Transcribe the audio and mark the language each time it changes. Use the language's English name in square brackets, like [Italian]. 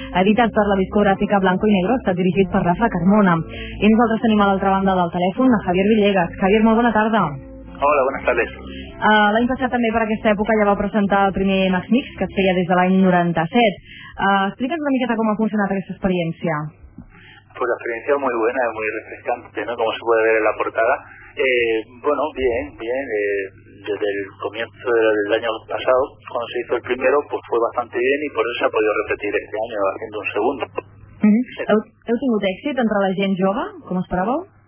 [Catalan] Editat per la discogràfica Blanco i Negro, està dirigit per Rafa Carmona. I nosaltres tenim a l'altra banda del telèfon a Javier Villegas. Javier, molt bona tarda. [Spanish] Hola, buenas tardes. [Catalan] L'any passat també per aquesta època ja va presentar el primer Max Mix, que es feia des de l'any 97. Explica'ns una miqueta com ha funcionat aquesta experiència. [Spanish] Pues la experiencia muy buena, muy refrescante, ¿no? Como se puede ver en la portada. Bueno, bien. Desde el comienzo del año pasado, cuando se hizo el primero, pues fue bastante bien y por eso se ha podido repetir este año haciendo un segundo. [Catalan] ¿Heu tingut èxit entre la gent jove, com esperàveu?